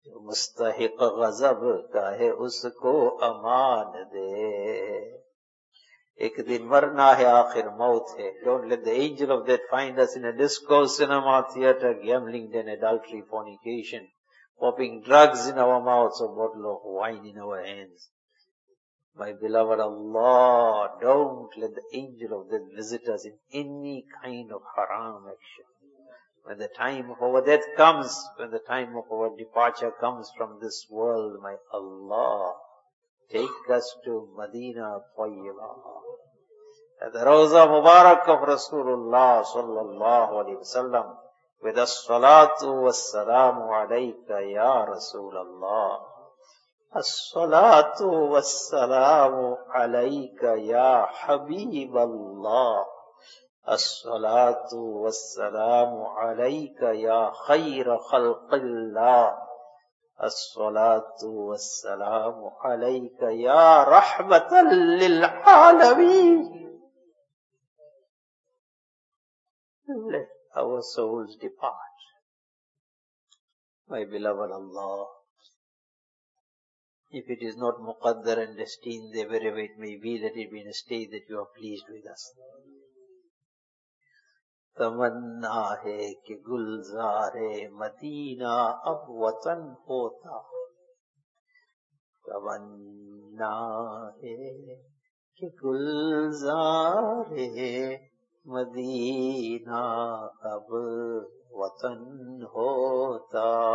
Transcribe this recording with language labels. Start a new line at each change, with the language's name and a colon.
Urdu: مستحق غضب کا ہے اس کو امان دے. ایک دن مرنا ہے, آخر موت ہے.
English: Don't let the angel of death find us in a disco, cinema, theater, gambling, then adultery, fornication, popping drugs in our mouths, a bottle of wine in our hands. My beloved Allah, don't let the angel of death visit us in any kind of haram action. When the time of our death comes, when the time of our departure comes from this world, my Allah, take us to Madina Tayyibah.
Arabic: At the Rawza Mubarak of Rasulullah sallallahu alayhi wa sallam, with as salatu was salamu alayka ya Rasulullah. As salatu was salamu alayka ya Habiballah. الصلاة والسلام عليك يا خير خلق الله الصلاة والسلام عليك يا رحمة للعالمين.
English: Let our souls depart, my beloved Allah. If it is not muqaddar and destined, wherever it may be, let it be in a state that you are pleased with us.
Urdu: تمنا ہے کہ گلزار مدینہ اب وطن ہوتا. تمنا ہے کہ گلزار مدینہ اب وطن ہوتا.